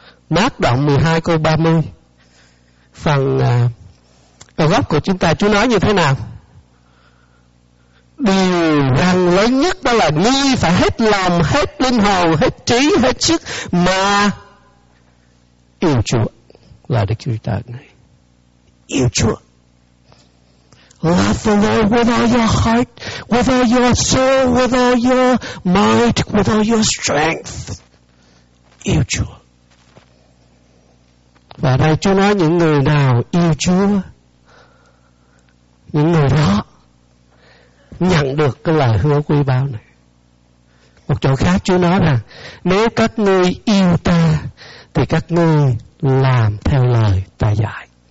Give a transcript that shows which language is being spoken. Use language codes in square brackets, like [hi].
[vi] Mát đoạn 12 câu 30 phần gốc của chúng ta, Chúa nói như thế nào? Điều răn lớn nhất đó là ngươi phải hết lòng, hết linh hồn, hết trí, hết sức mà yêu Chúa. Là Đức Chúa Trời này yêu Chúa. [en] Love the Lord with all your heart, with all your soul, with all your might, with all your strength. [vi] Yêu Chúa. Và đây Chúa nói những người nào yêu Chúa, những người đó nhận được cái lời hứa quý báu này. Một chỗ khác Chúa nói rằng nếu các ngươi yêu ta thì các ngươi làm theo lời ta dạy.